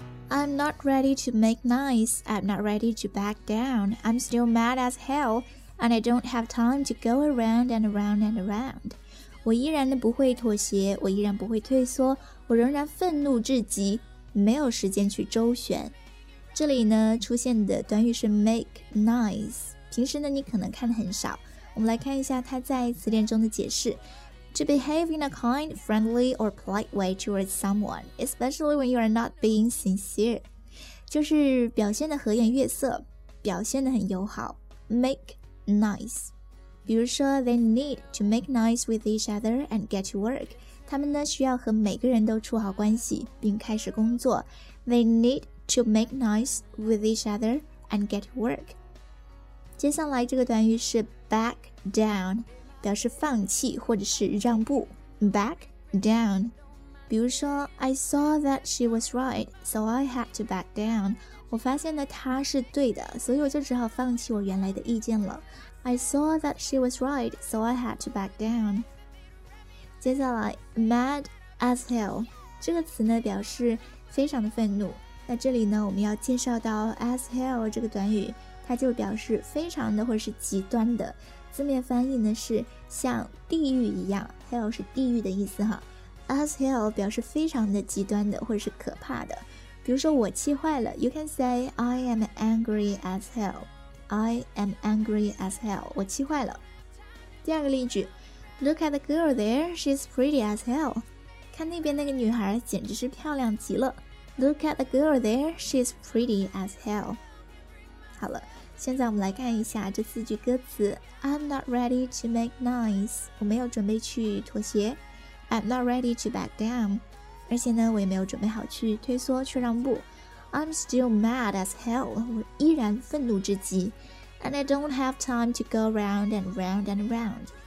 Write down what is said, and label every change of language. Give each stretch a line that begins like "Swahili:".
English: I'm not ready to make nice. I'm not ready to back down. I'm still mad as hell. And I don't have time to go around and around and around.
Chinese: 我依然的不会妥协，我依然不会退缩，我仍然愤怒至极，没有时间去周旋。这里呢出现的短语是 make nice， 平时呢你可能看得很少。我们来看一下它在词典中的解释。
English: To behave in a kind, friendly or polite way towards someone, especially when you are not being sincere.
Chinese: 就是表现得和颜悦色，表现得很友好。
English: Make nice.
Chinese: 比如说
English: they need to make nice with each other and get to work.
Chinese: 他们呢需要和每个人都处好关系并开始工作。
English: They need to make nice with each other and get to work.
Chinese: 接下来这个短语是 back down, 表示放弃或者是让步。
English: Back down.
Chinese: 比如说
English: I saw that she was right, so I had to back down.
Chinese: 我发现呢她是对的，所以我就只好放弃我原来的意见了。
English: I saw that she was right, so I had to back down.
Chinese: 接下来 mad as hell 这个词呢表示非常的愤怒。那这里呢我们要介绍到 as hell 这个短语，它就表示非常的或是极端的，字面翻译呢是像地狱一样， hell 是地狱的意思哈。 as hell 表示非常的极端的或是可怕的，比如说我气坏了，
English: you can say I am angry as hellI am angry as hell.
Chinese: 我气坏了。第二个例句，
English: Look at the girl there. She's pretty as hell.
Chinese: 看那边那个女孩简直是漂亮极了。
English: Look at the girl there. She's pretty as hell.
Chinese: 好了，现在我们来看一下这四句歌词。
English: I'm not ready to make nice.
Chinese: 我没有准备去妥协。
English: I'm not ready to back down.
Chinese: 而且呢，我也没有准备好去退缩，去让步。
English: I'm still mad as hell.
Chinese: 我依然愤怒至极。
English: And I don't have time to go round and round and round.